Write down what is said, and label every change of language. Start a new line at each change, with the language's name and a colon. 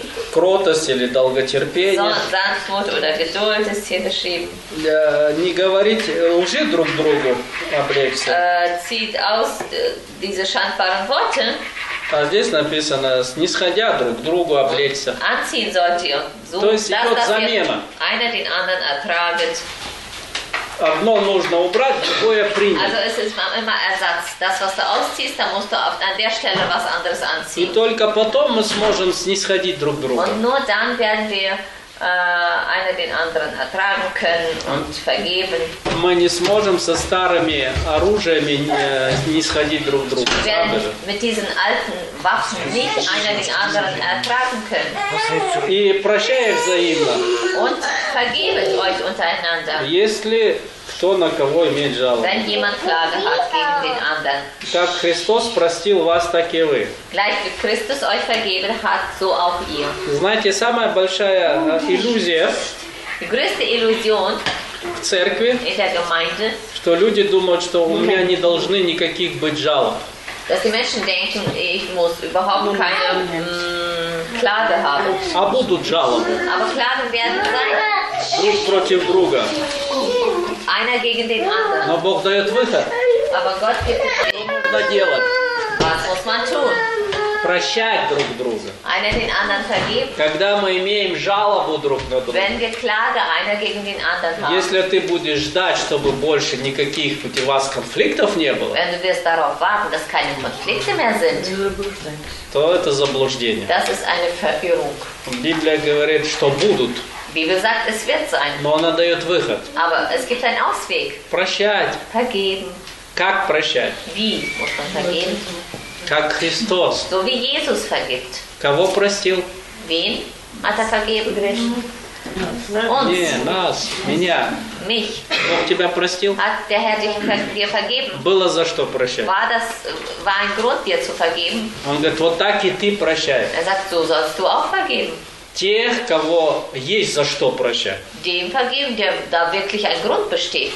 Russian: Кротость или долготерпение.
German: Sanftmut oder Geduld ist hier beschrieben.
Russian: Не говорить лжи друг другу, облечься.
German: Zieht aus diese schandbaren Worte.
Russian: А здесь написано, снисходя друг другу, облечься.
German: Anziehen sollt ihr. So,
Russian: то есть идет замена.
German: Einer den anderen ertraget.
Russian: Одно нужно убрать, другое принять.
German: Also es ist immer Ersatz. Das, was du ausziehst, da musst du an der Stelle was anderes anziehen.
Russian: И только потом мы сможем снисходить друг друга.
German: Und nur dann werden wir einer den anderen ertragen können und vergeben.
Russian: Мы не сможем со старыми оружиями снисходить друг другу.
German: Wir werden mit diesen alten Waffen nicht einer den anderen ertragen können.
Russian: И прощая взаимно.
German: Und vergebet euch untereinander.
Russian: Если кто на кого имеет жалобу.
German: Wenn jemand Klage hat gegen den anderen.
Russian: Как Христос простил вас, так и вы.
German: Gleich wie Christus euch vergeben hat, so auch ihr.
Russian: Знаете, самая большая иллюзия.
German: Die größte Illusion.
Russian: В церкви.
German: In der Gemeinde.
Russian: Что люди думают, что у меня не должны никаких быть жалоб.
German: Dass die Menschen denken, ich muss überhaupt keine Klage haben.
Russian: А будут жалобы.
German: Aber Klagen werden sein.
Russian: Друг против друга.
German: Einer gegen den anderen.
Russian: Но Бог дает выход.
German: Aber Gott gibt es.
Russian: Что нужно делать?
German: Was muss man tun?
Russian: Прощать друг друга.
German: Einer den anderen vergeben.
Russian: Когда мы имеем жалобу друг на друга.
German: Wenn wir Klage einer gegen den anderen haben.
Russian: Если ты будешь ждать, чтобы больше никаких у вас конфликтов не было.
German: Wenn du wirst darauf warten, dass keine Konflikte mehr sind.
Russian: То это заблуждение.
German: Das ist eine Verirrung.
Russian: Библия говорит, что будут.
German: Wie gesagt, es wird sein.
Russian: Но она дает выход.
German: Aber es gibt einen Ausweg.
Russian: Прощать.
German: Vergeben.
Russian: Как прощать?
German: Wie muss man vergeben?
Russian: Как Христос.
German: So wie Jesus vergibt.
Russian: Кого простил?
German: Wen hat vergeben? Uns.
Russian: Не, нас, меня.
German: Mich.
Russian: Бог тебя простил?
German: Hat der Herr dich dir vergeben?
Russian: Было за что прощать.
German: War ein Grund dir zu vergeben?
Russian: Он говорит, вот так и ты прощай.
German: Er sagt, so sollst du auch vergeben.
Russian: Тех, кого есть за что прощать.
German: Dem vergeben, der da wirklich ein Grund besteht.